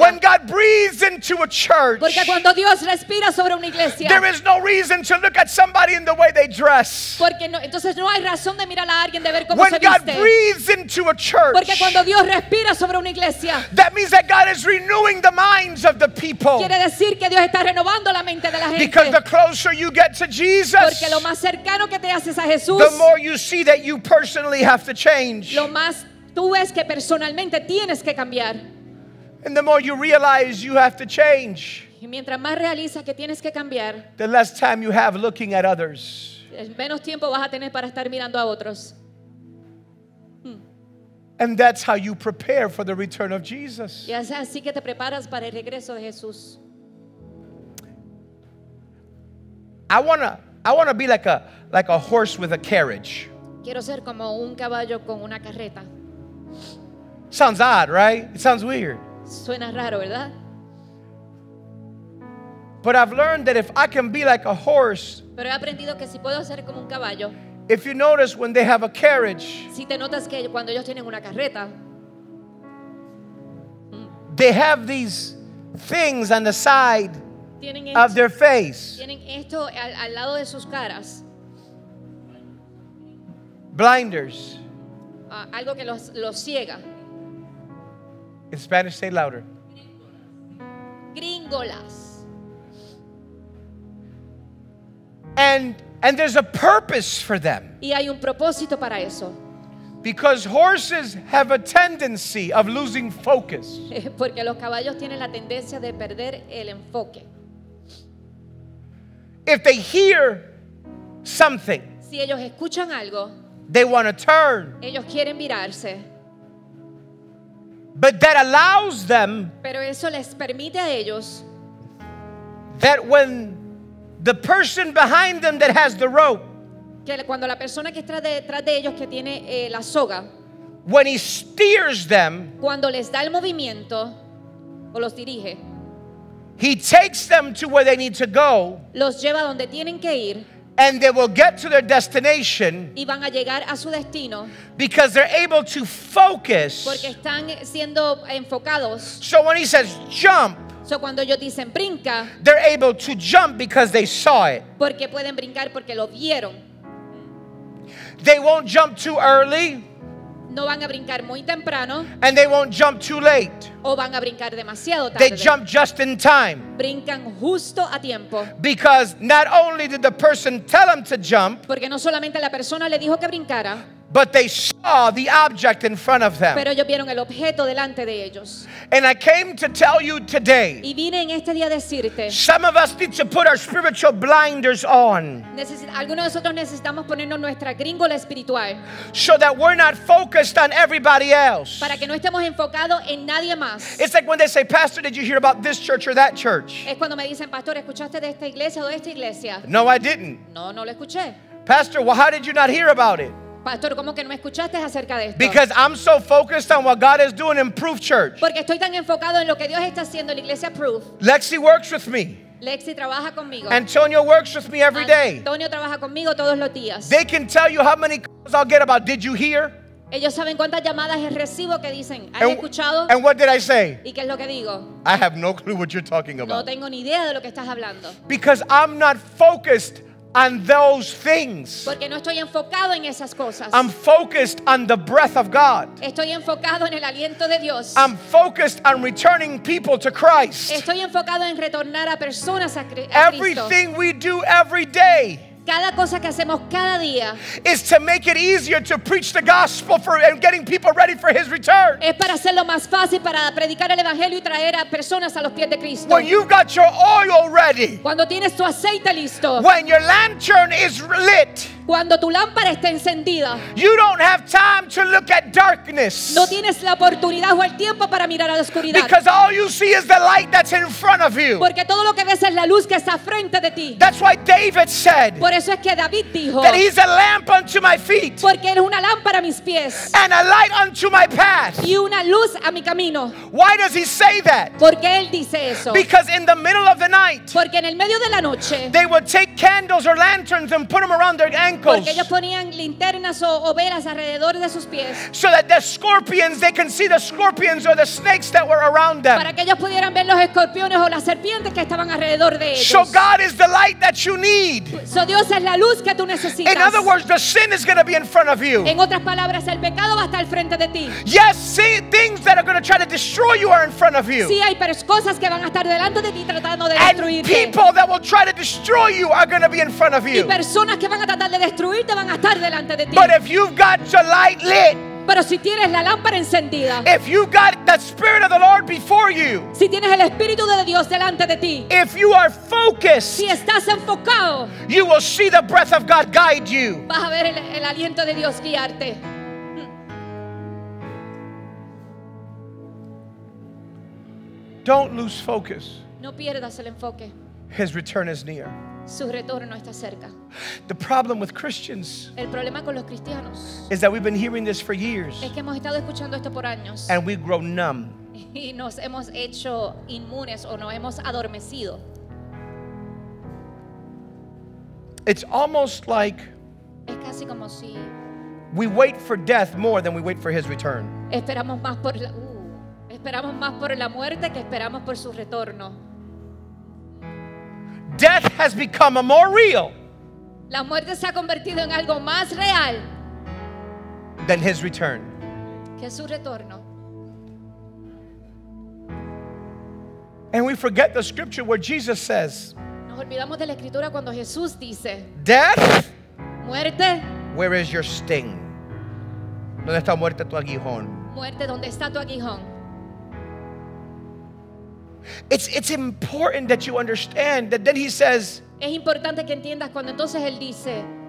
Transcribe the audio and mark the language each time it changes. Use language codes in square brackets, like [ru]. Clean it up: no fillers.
[en] When God breathes into a church, [es] porque cuando Dios respira sobre una iglesia, [en] there is no reason to look at somebody in the way they dress. [es] Porque no, entonces no hay razón de mirar a alguien de ver cómo [en] when [es] se viste. [en] When God breathes into a church, [es] porque cuando Dios respira sobre una iglesia, [en] that means that God is renewing the minds of the people. [es] Quiere decir que Dios está renovando la mente de la gente. [en] Because the closer you get to Jesus, [es] porque lo más cercano que te haces a Jesús, [en] the more you see that you personally have to change. [es] Lo más tú ves que personalmente tienes que cambiar. [en] And the more you realize you have to change, [es] y mientras más realizas que tienes que cambiar, [en] the less time you have looking at others. [es] Menos tiempo vas a tener para estar mirando a otros. [en] And that's how you prepare for the return of Jesus. [es] Y es así que te preparas para el regreso de Jesús. [en] I wanna be like a horse with a carriage. [es] Quiero ser como un caballo con una carreta. [en] Sounds odd, right? It sounds weird. [es] Suena raro, ¿verdad? [en] But I've learned that if I can be like a horse. [es] Pero he aprendido que si puedo ser como un caballo. [en] If you notice when they have a carriage, [es] si te notas que cuando ellos tienen una carreta, [en] they have these things on the side of their face. [es] Tienen esto al lado de sus caras. [en] Blinders. [es] Algo que los ciega. [en] In Spanish, say louder. [es] Gringolas. [en] And there's a purpose for them. [es] Y hay un propósito para eso. [en] Because horses have a tendency of losing focus. [es] Porque los caballos tienen la tendencia de perder el enfoque. [en] If they hear something, [es] si ellos escuchan algo, [en] they want to turn. [es] Ellos quieren virarse. [en] But that allows them, [es] pero eso les permite a ellos, [en] that when the person behind them that has the rope, [es] que cuando la persona que está detrás de ellos que tiene la soga, [en] when he steers them, [es] cuando les da el movimiento o los dirige, [en] he takes them to where they need to go, [es] los lleva donde tienen que ir, [en] and they will get to their destination, [es] y van a llegar a su destino, [en] because they're able to focus, [es] porque están siendo enfocados. [en] So when he says jump, [es] so cuando ellos dicen brinca, [en] they're able to jump because they saw it. [es] Porque pueden brincar porque lo vieron. [en] They won't jump too early. [es] No van a brincar muy temprano. [en] And they won't jump too late. [es] O van a brincar demasiado tarde. [en] They jump just in time. [es] Brincan justo a tiempo. [en] Because not only did the person tell them to jump, [es] porque no solamente la persona le dijo que brincara, [en] but they saw the object in front of them. [es] Pero ellos vieron el objeto delante de ellos. [en] And I came to tell you today, [es] y vine en este día decirte, [en] some of us need to put our spiritual blinders on. [es] Algunos de nosotros necesitamos ponernos nuestra gringola espiritual. [en] So that we're not focused on everybody else. [es] Para que no estemos enfocados en nadie más. [en] It's like when they say, Pastor, did you hear about this church or that church? [es] Es cuando me dicen, Pastor, ¿escuchaste de esta iglesia o de esta iglesia? [en] No, I didn't. [es] No, no lo escuché. [en] Pastor, well, how did you not hear about it? [es] Pastor, ¿cómo que no escuchaste acerca de esto? [en] Because I'm so focused on what God is doing in Proof Church. [es] Porque estoy tan enfocado en lo que Dios está haciendo en la iglesia Proof. [en] Lexi works with me. [es] Lexi trabaja conmigo. [en] Antonio works with me every day. [es] Antonio trabaja conmigo todos los días. [en] They can tell you how many calls I'll get about, did you hear? [es] Ellos saben cuántas llamadas recibo que dicen, ¿has escuchado? [en] And what did I say? [es] ¿Y qué es lo que digo? [en] I have no clue what you're talking about. [es] No tengo ni idea de lo que estás hablando. [en] Because I'm not focused on those things. [es] Porque no estoy enfocado en esas cosas. [en] I'm focused on the breath of God. [es] Estoy enfocado en el aliento de Dios. [en] I'm focused on returning people to Christ. [es] Estoy enfocado en retornar a personas a Cristo. [en] Everything we do every day, [es] cada cosa que hacemos cada día, [en] is to make it easier to preach the gospel for and getting people ready for His return. [es] Es para hacerlo más fácil para predicar el evangelio y traer a personas a los pies de Cristo. [en] When you've got your oil ready, [es] cuando tienes tu aceite listo, [en] when your lantern is lit, [es] Cuando tu lámpara está encendida, [en] you don't have time to look at darkness. [es] No tienes la oportunidad o el tiempo para mirar a la oscuridad. [en] Because all you see is the light that's in front of you. [es] Porque todo lo que ves es la luz que está frente de ti. [en] That's why David said. [es] Por eso es que David dijo. [en] That he's a lamp unto my feet. [es] Porque él es una lámpara a mis pies. [en] And a light unto my path. [es] Y una luz a mi camino. [en] Why does he say that? [es] Porque él dice eso. [en] Because in the middle of the night. [es] Porque en el medio de la noche. [en] They would take candles or lanterns and put them around their ankles. [es] Porque ellos ponían linternas o velas alrededor de sus pies. [en] So that the scorpions, they can see the scorpions or the snakes that were around them. [es] Para que ellos pudieran ver los escorpiones o las serpientes que estaban alrededor de ellos. [en] So God is the light that you need. [es] So Dios es la luz que tú necesitas. [en] In other words, the sin is going to be in front of you. [es] En otras palabras, el pecado va a estar frente de ti. [en] Yes, see, things that are going to try to destroy you are in front of you. [es] Sí, hay cosas que van a estar delante de ti tratando de destruirte. [en] And people that will try to destroy you are going to be in front of you. [es] Y personas que van a tratar de destruirte van a estar delante de ti. [en] But if you've got your light lit. [es] Pero si tienes la lámpara encendida. [en] If you got the Spirit of the Lord before you. [es] Si tienes el Espíritu de Dios delante de ti. [en] If you are focused. [es] Si estás enfocado. [en] You will see the breath of God guide you. [es] Vas a ver el aliento de Dios guiarte. [en] Don't lose focus. [es] No pierdas el enfoque. [en] His return is near. [es] Su retorno está cerca. [en] The problem with Christians, [es] el problema con los cristianos, [en] is that we've been hearing this for years, [es] es que hemos estado escuchando esto por años, [en] and we grow numb. [es] Y nos hemos hecho inmunes o nos hemos adormecido. [en] It's almost like, [es] es casi como si, [en] we wait for death more than we wait for his return. [es] Esperamos más por la, esperamos más por la muerte que esperamos por su retorno. [en] Death has become a more real. [es] La muerte se ha convertido en algo más real. [en] Than his return. [es] Que su retorno. [en] And we forget the scripture where Jesus says. [es] Nos olvidamos de la escritura cuando Jesús dice. [en] Death. [es] Muerte. [en] Where is your sting? [es] ¿Dónde está muerte tu aguijón? Muerte, ¿dónde está tu aguijón? [en] It's important that you understand that then he says, [es] es importante que entiendas cuando entonces él dice,